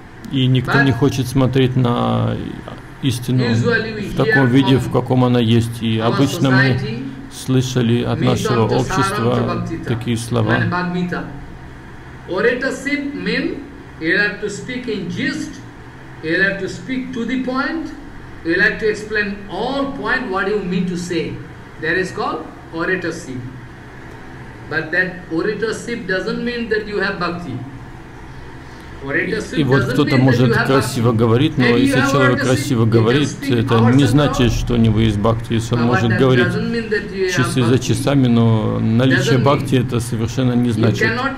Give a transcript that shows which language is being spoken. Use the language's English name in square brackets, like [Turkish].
[Russian] И никто не хочет смотреть на истину в таком виде, в каком она есть. И обычно мы слышали от нашего общества такие слова. [English] Oratorship means you have to speak in gist, you have to speak to the point, you have to explain all point what you mean to say. That is called oratorship. But that oratorship doesn't mean that you have bhakti. [Russian] И вот кто-то может красиво говорить, но если человек красиво говорит, это не значит, что у него есть бхакти. Если он может говорить часы за часами, но наличие бхакти это совершенно не значит.